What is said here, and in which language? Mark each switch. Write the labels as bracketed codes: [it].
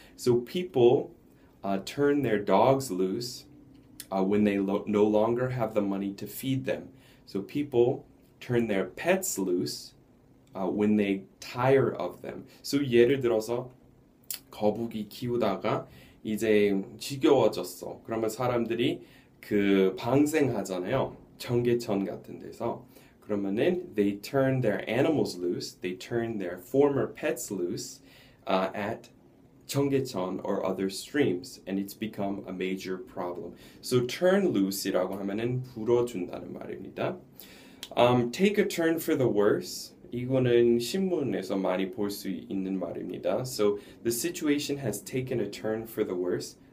[en] So people turn their dogs loose when they no longer have the money to feed them. So people turn their pets loose when they tire of them. [ko] So 예를 들어서 거북이 키우다가 이제 지겨워졌어. 그러면 사람들이 그 방생하잖아요. 청계천 같은 데서. 그러면은 [en] they turn their animals loose, they turn their former pets loose at 청계천 or other streams, and it's become a major problem. [ko] So turn loose이라고 하면은 불어준다는 말입니다. [en] Take a turn for the worse. [ko] 이거는 신문에서 많이 볼수 있는 말입니다. [en] So the situation has taken a turn for the worse.